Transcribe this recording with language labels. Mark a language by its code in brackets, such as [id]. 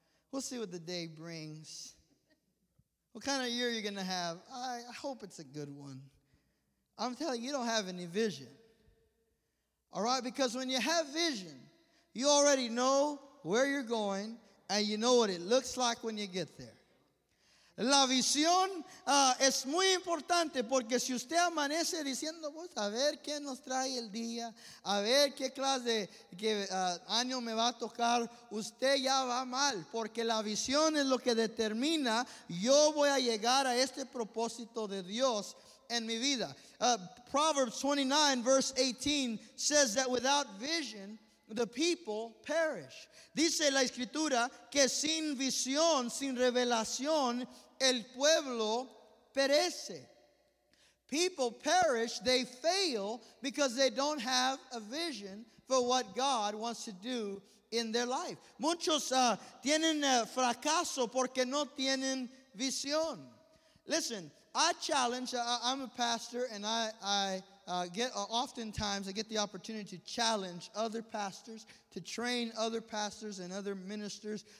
[en] We'll see what the day brings. What kind of year are you going to have? I hope it's a good one. I'm telling you, you don't have any vision. All right? Because when you have vision, you already know where you're going and you know what it looks like when you get there. [es] La visión es muy importante, porque si usted amanece diciendo, pues, a ver qué nos trae el día, a ver qué clase de año me va a tocar, usted ya va mal, porque la visión es lo que determina, yo voy a llegar a este propósito de Dios en mi vida. [en] Proverbs 29 verse 18 says that without vision, the people perish. [es] Dice la escritura que sin visión, sin revelación, el pueblo perece. [en] People perish, they fail, because they don't have a vision for what God wants to do in their life. [es] Muchos tienen fracaso porque no tienen visión. [en] Listen, I'm a pastor, and I get the opportunity to challenge other pastors, to train other pastors and other ministers.